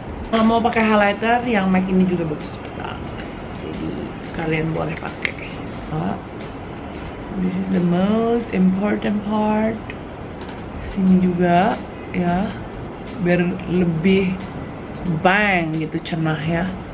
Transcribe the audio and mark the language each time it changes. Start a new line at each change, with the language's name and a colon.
Indonesian: Kalau mau pakai highlighter, yang MAC ini juga bagus banget. Jadi, kalian boleh pakai.
English: This is the most important part.
Indonesian: Sini juga. Ya, biar lebih bang gitu cernah ya.